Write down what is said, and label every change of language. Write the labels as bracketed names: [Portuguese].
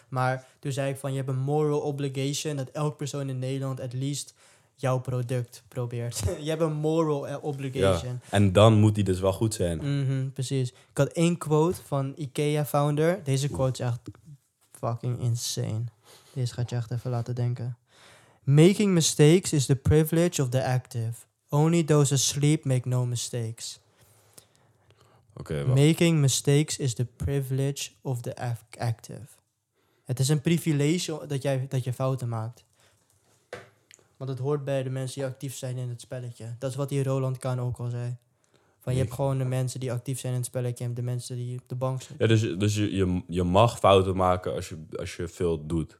[Dutch] Maar toen zei ik van, je hebt een moral obligation dat elk persoon in Nederland [English] at least [Dutch] jouw product probeert. Je hebt een moral obligation. Ja, en dan moet die dus wel goed zijn. Mm-hmm, precies. Ik had één quote van IKEA-founder. Deze quote is echt [English] fucking insane. [Dutch] Deze gaat je echt even laten denken. [English] Making mistakes is the privilege of the active. Only those asleep make no mistakes. Okay, making mistakes is the privilege of the active. [Dutch] Het is een privilege dat je fouten maakt. Want het hoort bij de mensen die actief zijn in het spelletje. Dat is wat die Roland Kahn ook al zei. Van, je hebt gewoon de mensen die actief zijn in het spelletje en de mensen die op de bank zitten. Ja, dus je mag fouten maken als je veel doet.